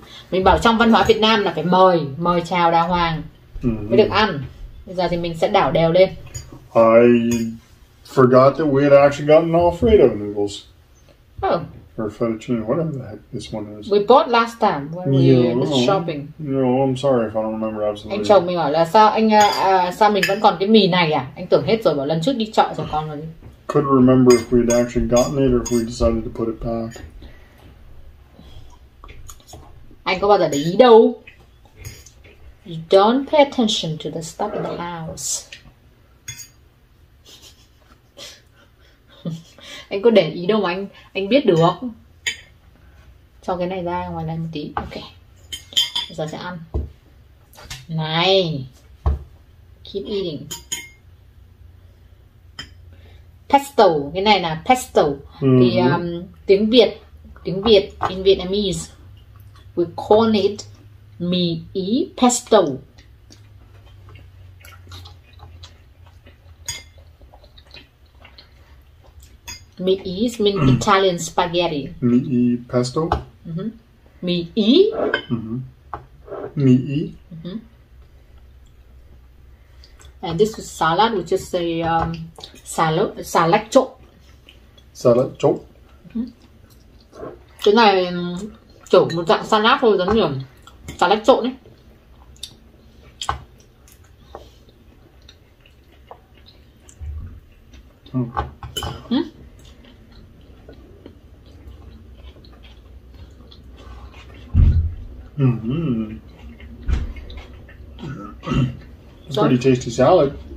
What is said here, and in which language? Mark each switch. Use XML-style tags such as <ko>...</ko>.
<vi>Mình bảo trong văn hóa Việt Nam là phải mời, mời chào đàng hoàng mới được ăn. Bây giờ thì mình sẽ đảo đều lên.</vi> <en>I forgot that we had actually gotten Alfredo noodles. Oh. Or fettuccine, whatever the heck this one is. We bought last time when we were shopping. No, I'm sorry if I don't remember absolutely.</en> <vi>Anh chồng mình hỏi là sao anh sao mình vẫn còn cái mì này à? Anh tưởng hết rồi, bảo lần trước đi chợ rồi con rồi.</vi> <en>Couldn't remember if we'd actually gotten it or if we decided to put it back.</en> <vi>Anh có bao giờ để ý đâu?</vi> <en>You don't pay attention to the stuff in the house.</en> <vi>Anh có để ý đâu mà anh biết được. Cho cái này ra ngoài này một tí. Ok. Bây giờ sẽ ăn. Này.</vi> <en>Keep eating.</en> <vi>Pesto, cái này là pesto. Thì tiếng Việt</vi> <en>in Vietnamese we call it mì ý pesto. Mì-ý means Italian spaghetti.</en> <vi>Mì-ý pesto? Mì-ý? Mì-ý?</vi> <en>And this is salad, which is a salad trộn.</en> <vi>Salad trộn. Cái này kiểu một dạng salad thôi, giống như salad trộn ấy.</vi> <en>It's a pretty tasty salad.</en>